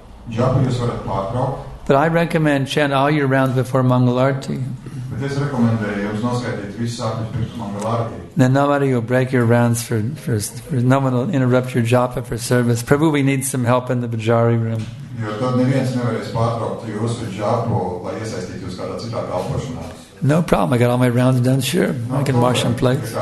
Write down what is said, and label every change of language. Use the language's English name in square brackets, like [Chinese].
[Latvian] Japa jūs varat pārtraukt. [English] But I recommend chant all your rounds before Mangalarti. [Latvian] Bet es rekomendēju jums noskaitīt visus sākumus pirms Mangalarti. [English] Then nobody will break your rounds for no one will interrupt your japa for service. Prabhu, we need some help in the Bajari room. [Latvian] Jo tad neviens nevarēs pārtraukt jūsu japu, lai iesaistītu jūs kādā citā kalpošanā. [English] No problem, I got all my rounds done, sure. I can wash and plate.